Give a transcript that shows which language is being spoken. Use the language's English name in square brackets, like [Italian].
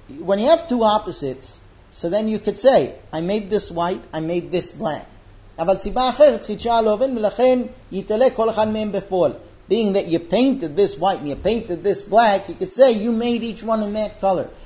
[English] when you have two opposites, So then you could say, I made this white, I made this black. [Hebrew] אבל סיבה אחרת חידשה הלובן, ולכן יתעלה כל אחד מהם בפועל. [English] Being that you painted this white and you painted this black, you could say you made each one in that color.